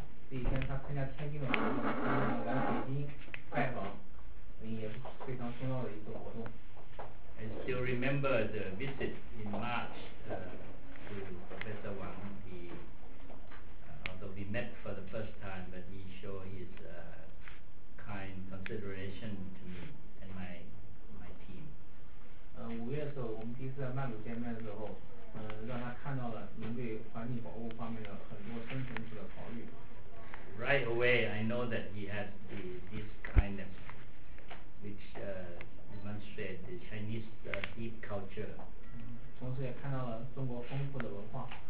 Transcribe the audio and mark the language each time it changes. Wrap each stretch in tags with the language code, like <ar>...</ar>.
<zh>第一天他参加天津的活动，今天来北京拜访，也是非常重要的一个活动。</zh> <en>I still remember the visit in March to Professor Wang. He, although we met for the first time, but he showed his kind consideration to me and my team.</en> <zh>五月的时候，我们第一次在曼谷见面的时候，让他看到了您对环境保护方面的很多深层次的考虑。</zh> <en>Right away, I know that he has this kindness, which demonstrates the Chinese deep culture.</en> <zh>同时也看到了中国丰富的文化。</zh>